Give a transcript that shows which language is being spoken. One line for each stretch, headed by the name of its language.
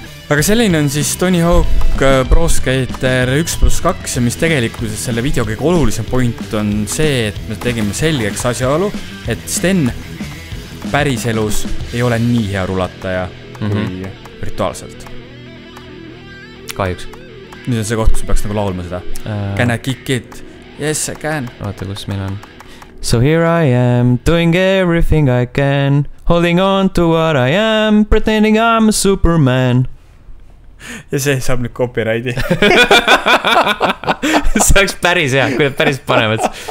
Estonian: Aga selline on siis Tony Hawk Pro Skater 1+2 ja mis tegelikult selle video kõige olulisem point on see, et me tegime selgeks asjaolu, et Sten päris elus ei ole nii hea rulataja kui rituaalselt. Kahjuks. Nüüd on see koht, kus peaks nagu laulma seda.
English: Can I kick it? Yes, I can.
Estonian: Vaata, kus meil on.
English: So here I am, doing everything I can, holding on to what I am, pretending I'm a superman.
Estonian: Ja see saab nüüd copyrighti. See oleks päris hea, kui päris panemad.